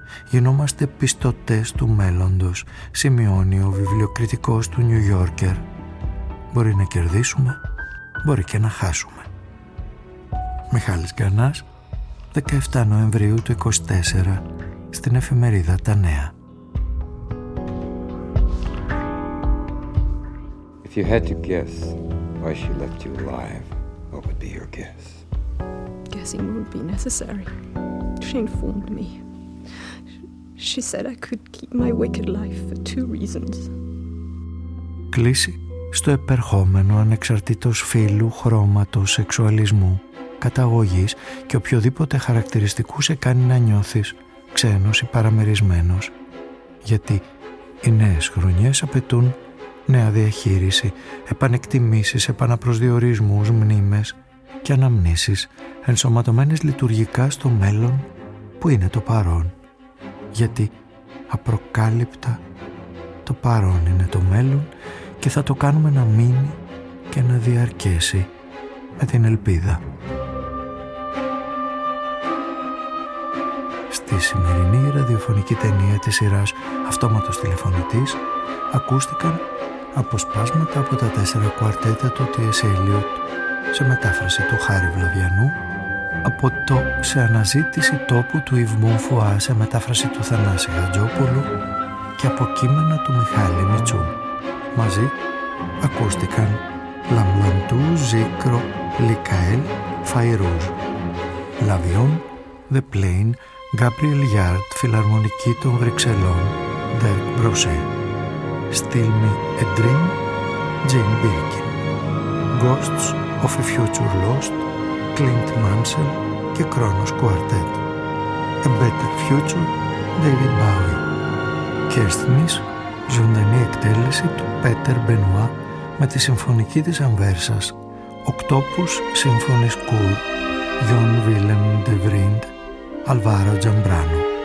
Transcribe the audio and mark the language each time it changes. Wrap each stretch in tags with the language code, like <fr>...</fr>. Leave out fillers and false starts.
<el>Γινόμαστε πιστωτές του μέλλοντος, σημειώνει ο βιβλιοκριτικός του New Yorker. Μπορεί να κερδίσουμε, μπορεί και να χάσουμε. Μιχάλης Γκανάς, 17 Νοεμβρίου του 24, στην εφημερίδα Τα Νέα.</el> <en>If you had to guess why she left you alive, what would be your guess? Guessing wouldn't be necessary. She informed me. She said I could keep my wicked life for two reasons.</en> <el>Κλίση στο επερχόμενο ανεξαρτήτως φύλου, χρώματος, σεξουαλισμού, καταγωγής και οποιοδήποτε χαρακτηριστικού σε κάνει να νιώθεις ξένος ή παραμερισμένος. Γιατί οι νέες χρονιές απαιτούν νέα διαχείριση, επανεκτιμήσεις, επαναπροσδιορισμούς, μνήμες και αναμνήσεις ενσωματωμένες λειτουργικά στο μέλλον που είναι το παρόν. Γιατί απροκάλυπτα το παρόν είναι το μέλλον και θα το κάνουμε να μείνει και να διαρκέσει με την ελπίδα. Στη σημερινή ραδιοφωνική ταινία της σειράς «Αυτόματος τηλεφωνητής» ακούστηκαν αποσπάσματα από τα 4 κουαρτέτα του T.S. Eliot σε μετάφραση του Χάρη Βλαβιανού, από το «Σε αναζήτηση τόπου» του Ιβμού Φουά σε μετάφραση του Θανάση Γαντζόπουλου και από κείμενα του Μιχάλη Μητσού. Μαζί ακούστηκαν Λαμλαντού, Ζήκρο, Λικαέλ, Φαϊρούζ, Λαβιόν, The Plain, Γκάμπριελ Γιάρτ, Φιλαρμονική των Βρυξελών, Ντέρκ Μπροσέ, Still Me a Dream, Jane Birkin, Ghosts of a Future Lost, Clint Mansell και Kronos Quartet, A Better Future, David Bowie, Kerstmis, ζωντανή εκτέλεση του Peter Benoit με τη Συμφωνική της Ανβέρσας, Octopus Symphony School, John Willem de Vrind, Alvaro Giambrano,</el>